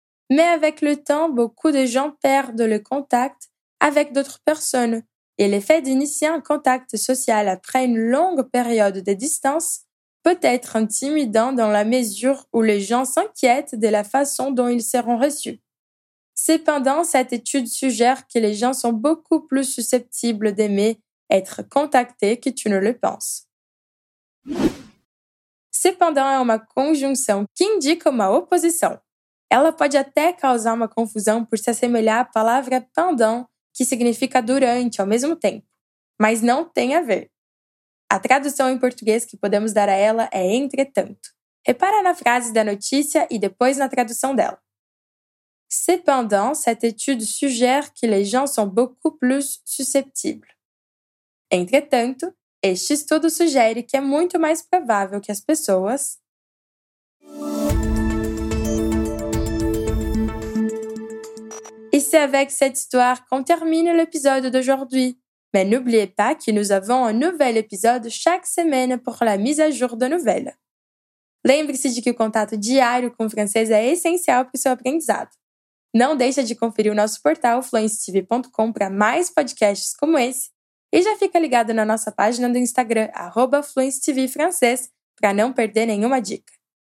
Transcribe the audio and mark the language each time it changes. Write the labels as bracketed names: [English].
[French] Mais avec le temps, beaucoup de gens perdent le contact avec d'autres personnes et l'effet d'initier un contact social après une longue période de distance peut-être intimidant dans la mesure où les gens s'inquiètent de la façon dont ils seront reçus. Cependant, cette étude suggère que les gens sont beaucoup plus susceptibles d'aimer être contactés que tu ne le penses. [Portuguese] Cependant, é uma conjunção que indica uma oposição. Ela pode até causar uma confusão por se assemelhar à palavra pendant, que significa durante ao mesmo tempo, mas não tem a ver. A tradução em português que podemos dar a ela é entretanto. Repara na frase da notícia e depois na tradução dela. [French] Cependant, cette étude suggère que les gens sont beaucoup plus susceptibles. [Portuguese] Entretanto, este estudo sugere que é muito mais provável que as pessoas... [French] E c'est avec cette histoire qu'on termine l'épisode d'aujourd'hui. Mais n'oubliez pas que nous avons un nouvel épisode chaque semaine pour la mise à jour de nouvelles. [Portuguese] Lembre-se de que o contato diário com o francês é essencial para o seu aprendizado. Não deixe de conferir o nosso portal fluencytv.com para mais podcasts como esse e já fica ligado na nossa página do Instagram @fluencytvfrancês para não perder nenhuma dica.